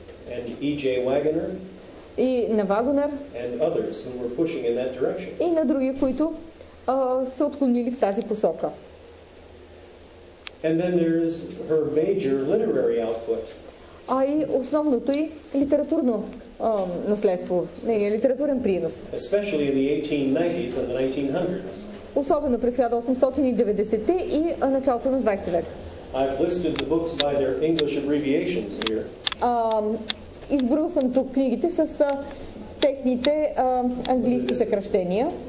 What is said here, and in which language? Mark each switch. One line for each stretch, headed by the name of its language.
English: and E.J. Wagoner,
Bulgarian: и на Вагонер,
English: and others who were pushing in that direction,
Bulgarian: и на други, които са отклонили в тази посока.
English: And then there's her major literary output.
Bulgarian: А и основното и литературно наследство, не е литературен принос.
English: Especially in the 1890s and the 1900s.
Bulgarian: Особено през 1890-те и началото на 20 век.
English: I've listed the books by their English abbreviations here.
Bulgarian: Изброил съм тук книгите с техните английски съкращения.